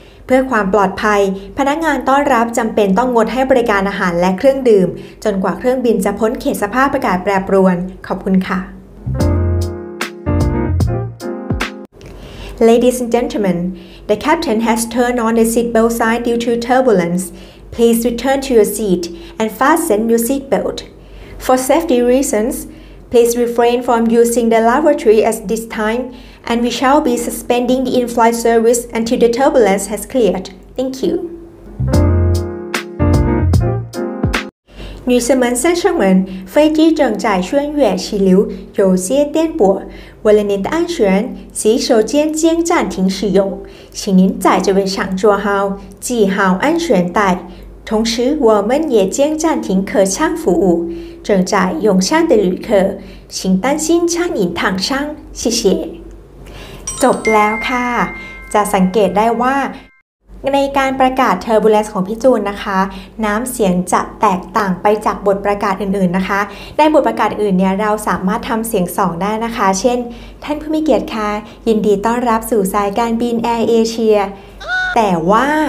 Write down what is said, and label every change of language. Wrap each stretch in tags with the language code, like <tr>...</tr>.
<th>เพื่อความปลอดภัยพนักงานต้อนรับจำเป็นต้องงดให้บริการอาหารและเครื่องดื่มจนกว่าเครื่องบินจะพ้นเขตสภาพอากาศแปรปรวนขอบคุณค่ะ</th> <en>Ladies and gentlemen, the captain has turned on the seatbelt sign due to turbulence. Please return to your seat and fasten your seatbelt. For safety reasons, please refrain from using the lavatory at this time, and we shall be suspending the in-flight service until the turbulence has cleared. Thank you.</en> <zh>女士们、先生们，飞机正在穿越气流，有些颠簸。为了您的安全，洗手间将暂停使用，请您在这位上坐好，系好安全带。同时，我们也将暂停客舱服务。正在用餐的旅客，请担心餐饮烫伤。谢谢。</zh> <th>จบแล้วค่ะจะสังเกตได้ว่า ในการประกาศ Turbulence ของพี่จูนนะคะน้ำเสียงจะแตกต่างไปจากบทประกาศอื่นๆนะคะในบทประกาศอื่นเนี่ยเราสามารถทำเสียง2ได้นะคะเช่นท่านผู้มีเกียรติคะยินดีต้อนรับสู่สายการบิน Air Asia แต่ว่า</th>